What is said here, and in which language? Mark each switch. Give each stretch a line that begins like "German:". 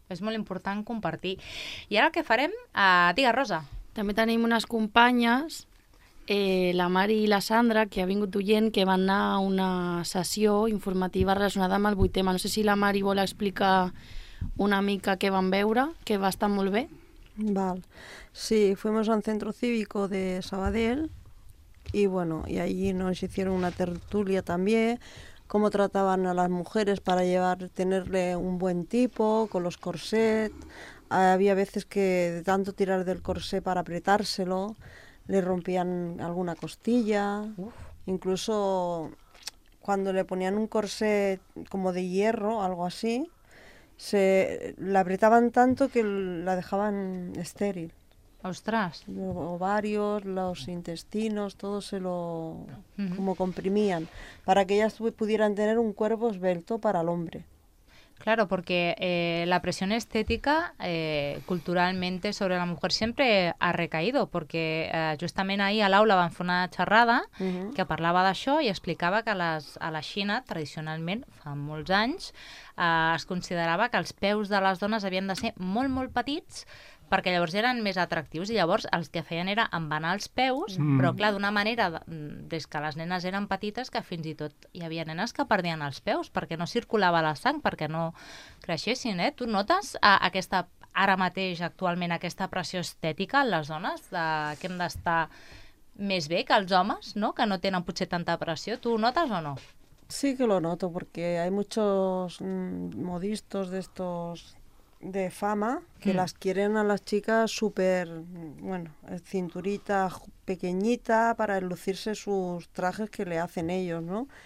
Catalan: És molt important compartir. I ara què farem? Digues, Rosa. També tenim unes companyes, la Mari i la Sandra, que ha vingut d'Ullent, que van anar a una sessió informativa relacionada amb el 8M. No sé si la Mari vol explicar una mica què van veure, que va estar molt bé. Val.
Spanish: Sí, fuimos al centro cívico de Sabadell y bueno, y allí nos hicieron una tertulia también, cómo trataban a las mujeres para tenerle un buen tipo, con los corsets. Había veces que de tanto tirar del corsé para apretárselo, le rompían alguna costilla. Uf. Incluso cuando le ponían un corsé como de hierro, algo así, se la apretaban tanto que la dejaban estéril. ¡Ostras! Los ovarios, los intestinos, todo se lo como comprimían para que ellas pudieran tener un cuerpo esbelto para el hombre. Claro, porque la presión estética culturalmente sobre la mujer siempre ha recaído, porque justamente ahí
Catalan: a l'aula van fer una xerrada que parlava d'això i explicava que a la Xina, tradicionalment, fa molts anys, es considerava que els peus de les dones havien de ser molt, molt petits, perquè llavors eren més atractius i llavors els que feien era embenar els peus, però clar, d'una manera, des que les nenes eren petites, que fins i tot hi havia nenes que perdien els peus perquè no circulava la sang, perquè no creixessin, eh? Tu notes aquesta, ara mateix, actualment, aquesta pressió estètica en les dones, que hem d'estar més bé que els homes, no? Que no tenen potser tanta pressió. Tu ho notes o no?
Spanish: Sí que lo noto, porque hay muchos modistos de estos de fama, que las quieren a las chicas súper, bueno, cinturita pequeñita para lucirse sus trajes que le hacen ellos, ¿no?